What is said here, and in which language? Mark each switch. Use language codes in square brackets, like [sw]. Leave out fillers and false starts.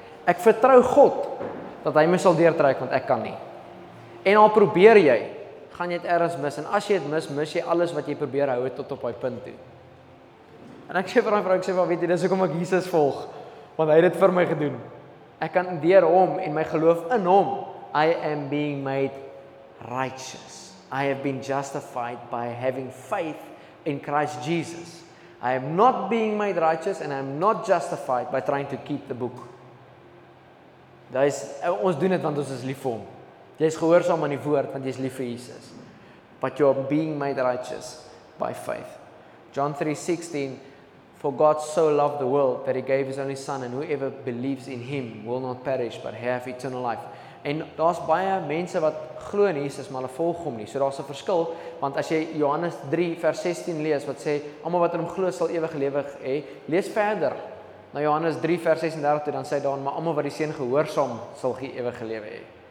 [af] Ek vertrou God dat hy my sal deurtrek, want ek kan nie. En al probeer jy, gaan jy het ergens mis. En as jy het mis, mis jy alles wat jy probeer hou het tot op hy punt toe. En ek sê vir my vrou, ek sê, maar weet jy, dis hoekom ek Jesus volg. Want hy het dit vir my gedoen. Ek kan deur hom en my geloof in hom. [en] I am being made righteous. I have been justified by having faith in Christ Jesus. I am not being made righteous and I am not justified by trying to keep the book. [af] Dit is, ons doen dit want ons is lief vir hom. Jy is gehoorsaam aan die woord want jy is lief vir Jesus. [en] But you are being made righteous by faith. John 3:16. For God so loved the world that he gave his only son and whoever believes in him will not perish but have eternal life. [af] En daar's baie mense wat glo in Jesus maar hulle volg hom nie. So daar's 'n verskil want as jy Johannes 3 vers 16 lees wat sê almal wat in hom glo sal ewig lewe hê, lees verder. Na Johannes 3 vers 36 toe dan sê daar maar almal wat die seun gehoorsaam sal ewig lewe hê.